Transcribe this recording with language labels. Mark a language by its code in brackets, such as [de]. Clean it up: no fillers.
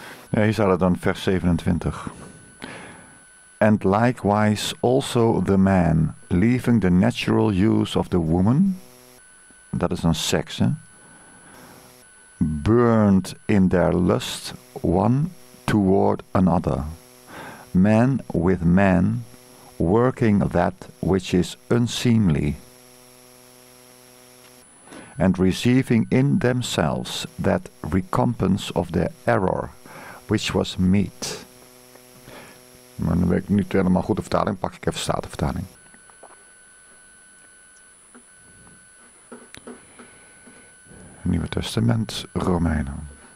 [nl] Ja, hier staat het dan vers 27. [en] And likewise also the man, leaving the natural use of the woman, [nl] dat is dan seks, hè, [en] burned in their lust one toward another, man with man, working that which is unseemly, and receiving in themselves that recompense of their error, which was meat. [nl] Maar dan weet ik niet helemaal goed de vertaling. Pak ik even Statenvertaling. Nieuwe Testament, Romeinen.